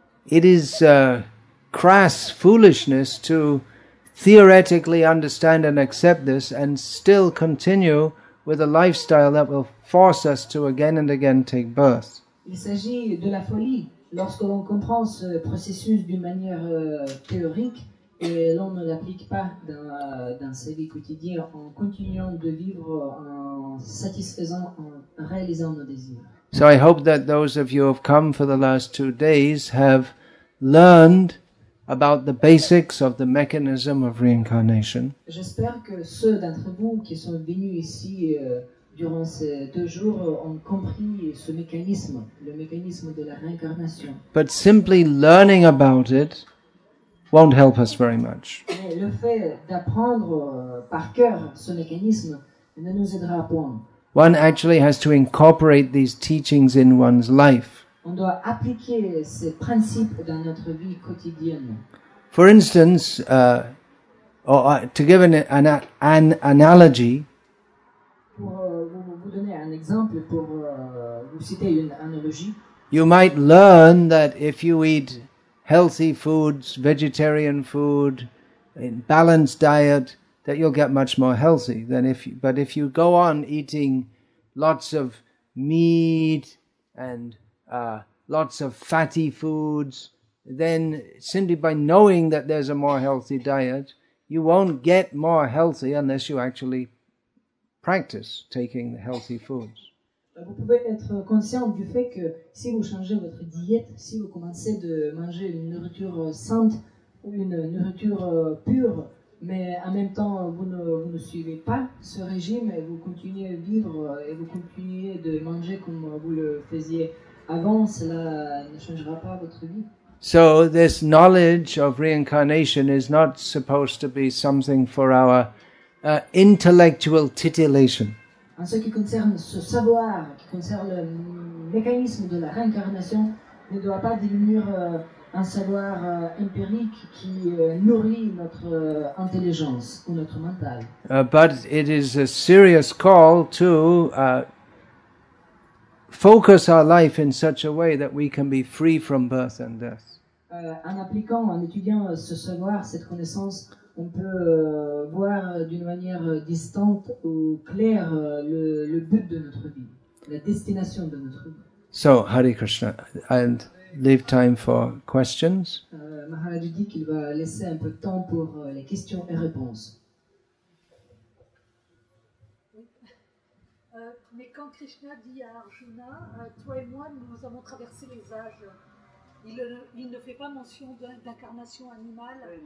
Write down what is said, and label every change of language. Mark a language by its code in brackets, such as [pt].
[en] It is crass foolishness to theoretically understand and accept this and still continue with a lifestyle that will force us to again and again take birth. [fr] Il s'agit de la folie lorsque l'on comprend ce processus d'une manière théorique et l'on ne l'applique pas dans sa vie quotidienne en continuant de vivre en satisfaisant, en réalisant nos désirs. [en] So I hope that those of you who have come for the last 2 days have learned about the basics of the mechanism of reincarnation. [fr] J'espère que ceux d'entre vous qui sont venus ici durant ces 2 jours ont compris ce mécanisme, le mécanisme de la réincarnation. [en] But simply learning about it won't help us very much. [fr] Mais le fait d'apprendre par cœur ce mécanisme ne nous aidera point. [en] One actually has to incorporate these teachings in one's life. [fr] On doit appliquer ces principes dans notre vie quotidienne. [en] For instance, to give an analogy. [fr] Pour vous donner un exemple, pour vous citer une analogie. [en] You might learn that if you eat healthy foods, vegetarian food, in balanced diet, that you'll get much more healthy than if you go on eating lots of meat and lots of fatty foods, then simply by knowing that there's a more healthy diet, you won't get more healthy unless you actually practice taking the healthy foods. [fr] Vous pouvez être conscient du fait que si vous changez votre diète, si vous commencez de manger une nourriture sainte ou une nourriture pure, mais en même temps vous ne suivez pas ce régime et vous continuez à vivre et vous continuez de manger comme vous le faisiez avant, cela ne changera pas votre vie. [en] So this knowledge of reincarnation is not supposed to be something for our intellectual titillation. [fr] En ce qui concerne ce savoir, qui concerne le mécanisme de la réincarnation, ne doit pas devenir un savoir empirique qui nourrit notre intelligence ou notre mental. [en] But it is a serious call to focus our life in such a way that we can be free from birth and death. [fr] En appliquant, en étudiant ce savoir, cette connaissance, on peut voir d'une manière distante ou claire le but de notre vie, la destination de notre vie. [en] So, Hare Krishna, and leave time for questions. [fr] Maharaj dit qu'il va laisser un peu de temps pour les questions et réponses. Mais quand Krishna dit à Arjuna, toi et moi, nous avons traversé les âges, il ne fait pas mention d'incarnation animale.